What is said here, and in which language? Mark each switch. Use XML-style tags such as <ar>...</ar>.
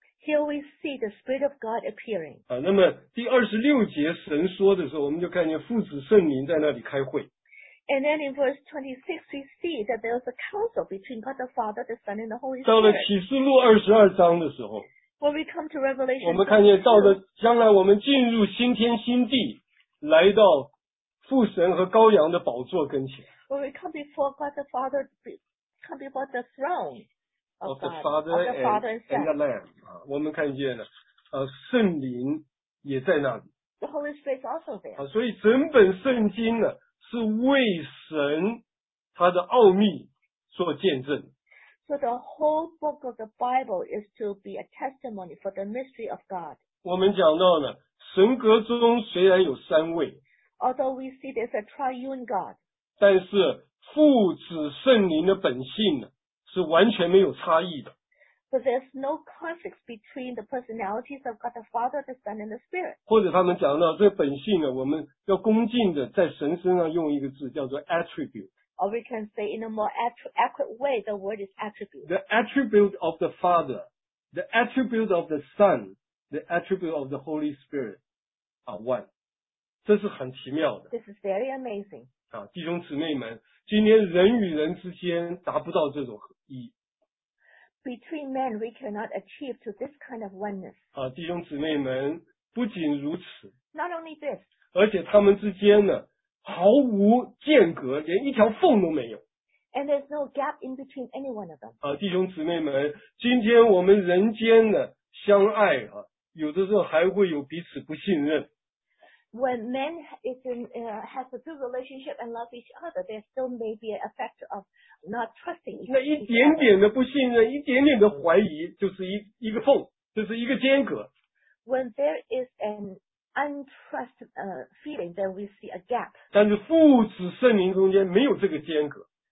<en>Here we see the spirit of God appearing.</en> <zh>啊，那么第26节神说的时候我们就看见父子圣灵在那里开会。</zh> <en>And then in verse 26, we see that there was a council between God the Father, the Son, and the Holy Spirit.</en> <zh>到了启示录二十二章的时候</zh> <en>，When we come to Revelation,</en> <zh>我们看见到了将来我们进入新天新地，来到父神和羔羊的宝座跟前。</zh> <en>When we come before God the Father, come before the throne of the Father and the Lamb.</en> <zh>我们看见了，圣灵也在那里。</zh> <en>The Holy Spirit is also there.</en> <zh>所以整本圣经呢。是为神他的奥秘做见证。</zh> <en>So the whole book of the Bible is to be a testimony for the mystery of God.</en> <zh>我们讲到呢，神格中虽然有三位</zh> <en>，Although we see there's a triune God，</en> <zh>但是父子圣灵的本性呢是完全没有差异的。</zh> <en>But there's no conflicts between the personalities of God the Father, the Son, and the Spirit.</en> <zh>或者他们讲到这本性呢，我们要恭敬的在神身上用一个字叫做 attribute.</zh> <en>Or we can say in a more accurate way, the word is attribute. The attribute of the Father, the attribute of the Son, the attribute of the Holy Spirit are one.</en> <zh>这是很奇妙的。</zh> <en>This is very amazing.</en> <zh>啊，弟兄姊妹们，今天人与人之间达不到这种一。</zh> <en>Between men, we cannot achieve to this kind of oneness.</en> <zh>啊，弟兄姊妹们，不仅如此。</zh> <en>Not only this.</en> <zh>而且他们之间呢，毫无间隔，连一条缝都没有。</zh> <en>And there's no gap in between any one of them.</en> <zh>啊，弟兄姊妹们，今天我们人间的相爱啊，有的时候还会有彼此不信任。</zh> <en>When men is in, has a good relationship and love each other, there still may be an effect of not trusting each other.</en> <zh>那一点点的不信任，一点点的怀疑，就是一个缝，就是一个间隔。</zh> <en>When there is an untrust, feeling, then we see a gap.</en> <zh>但是父子圣灵中间没有这个间隔。</zh>